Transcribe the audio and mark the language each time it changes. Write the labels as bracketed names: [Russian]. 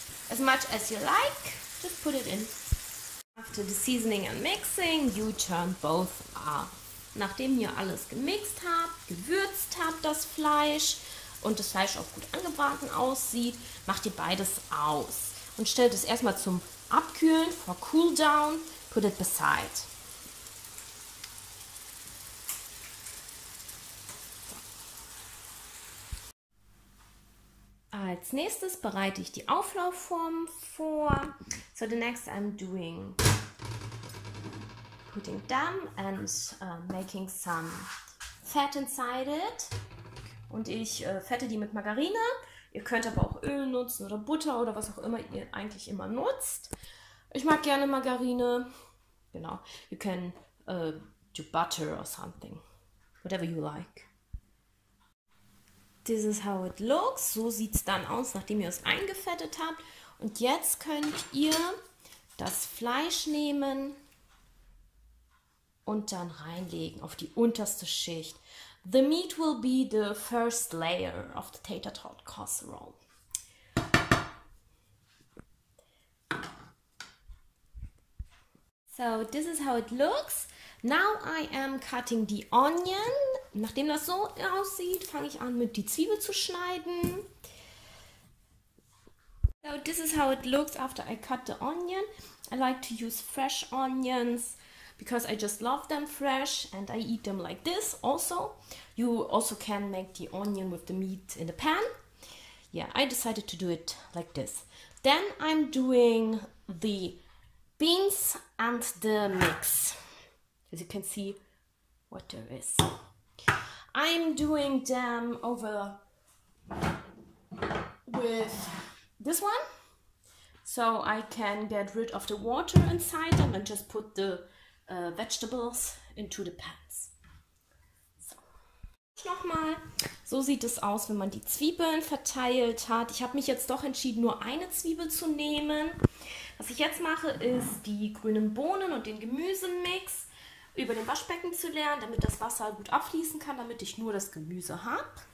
[English] As much as you like, just put it in. After the seasoning and mixing, you turn both off. [German] Nachdem ihr alles gemixt habt, gewürzt habt das Fleisch und das Fleisch auch gut angebraten aussieht, macht ihr beides aus und stellt es erstmal zum Abkühlen, [English] for cool down, put it beside. [German] Als nächstes bereite ich die Auflaufform vor. [English] So the next I'm doing putting them and making some fat inside it. [German] Und ich fette die mit Margarine. Ihr könnt aber auch Öl nutzen oder Butter oder was auch immer ihr eigentlich immer nutzt. Ich mag gerne Margarine. Genau. [English] You can do butter or something. Whatever you like. This is how it looks. [German] So sieht es dann aus, nachdem ihr es eingefettet habt. Und jetzt könnt ihr das Fleisch nehmen und dann reinlegen auf die unterste Schicht. [English] The meat will be the first layer of the tater tot casserole. So, this is how it looks. Now I am cutting the onion. [German] Nachdem das so aussieht, fange ich an, mit die Zwiebel zu schneiden. [English] So, this is how it looks after I cut the onion. I like to use fresh onions, because I just love them fresh and I eat them like this also. You also can make the onion with the meat in the pan. Yeah, I decided to do it like this. Then I'm doing the beans and the mix. As you can see what there is. I'm doing them over with this one. So I can get rid of the water inside them and just put the vegetables into the pans. [German] So. Nochmal. So sieht es aus, wenn man die Zwiebeln verteilt hat. Ich habe mich jetzt doch entschieden, nur eine Zwiebel zu nehmen. Was ich jetzt mache, ist die grünen Bohnen und den Gemüsemix über dem Waschbecken zu leeren, damit das Wasser gut abfließen kann, damit ich nur das Gemüse habe.